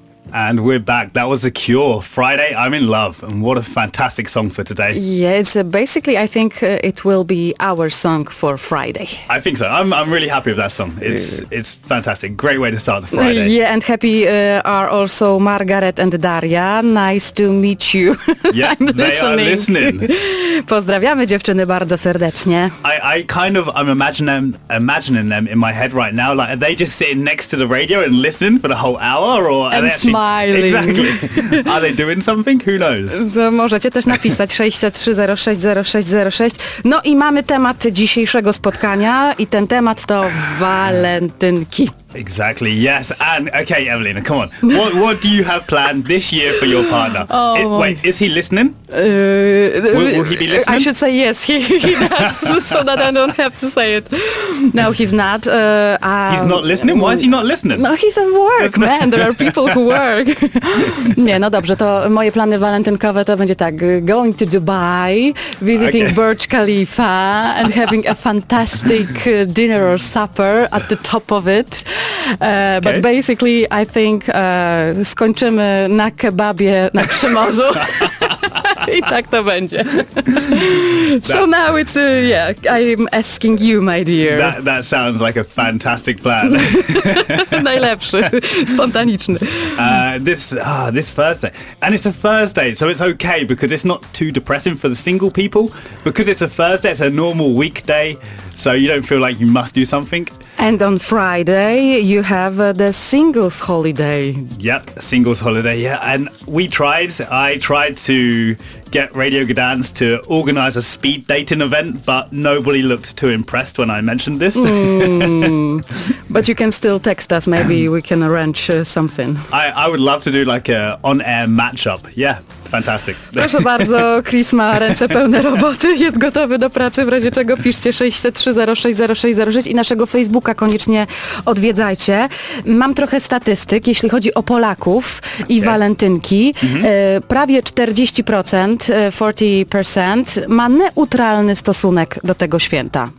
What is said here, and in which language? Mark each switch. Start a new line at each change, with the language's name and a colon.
English: And we're back. That was The Cure, Friday, I'm in Love. And what a fantastic song for today. Yeah, it's basically, I think it will be our song for Friday. I think so. I'm really happy with that song. It's fantastic. Great way to start the Friday. Yeah, and happy are also Margaret and Daria. Nice to meet you. Yeah, I'm they listening. Are listening.
Polish: Pozdrawiamy dziewczyny bardzo serdecznie.
English: I kind of, I'm imagining them in my head right now. Like, are they just sitting next to the radio and listening for the whole hour? Or and smiling. Exactly. Are they doing something? Who knows?
Polish: So możecie też napisać 63060606. No i mamy temat dzisiejszego spotkania i ten temat to walentynki.
English: Exactly, yes. And okay, Evelina, come on. What do you have planned this year for your partner? Oh, is he listening? Will he be listening? I should say yes, he does, so that I don't have to say it. No, he's not. He's not listening? Why is he not listening? No, he's at work, man. There are people who work.
Polish: Nie, no dobrze, to moje plany walentynkowe to będzie tak.
English: Going to Dubai, visiting okay. Burj Khalifa, and having a fantastic dinner or supper at the top of it. Okay. But basically, I think
Polish: skończymy na kebabie na Przymorzu. I tak to będzie.
English: So now it's, I'm asking you, my dear. That sounds like a fantastic plan.
Polish: Najlepszy, spontaniczny.
English: This Thursday. And it's a Thursday, so it's okay because it's not too depressing for the single people. Because it's a Thursday, it's a normal weekday, so you don't feel like you must do something. And on Friday, you have the singles holiday. Yep, singles holiday, yeah. And I tried to get Radio Gdansk to organize a speed dating event, but nobody looked too impressed when I mentioned this. But you can still text us, maybe we can arrange something. I would love to do like a on-air matchup, yeah. Fantastic.
Polish: Proszę bardzo, Chris ma ręce pełne roboty, jest gotowy do pracy, w razie czego piszcie 603060606 i naszego Facebooka koniecznie odwiedzajcie. Mam trochę statystyk, jeśli chodzi o Polaków i okay. walentynki. Mm-hmm. Prawie 40%, 40% ma neutralny stosunek do tego święta.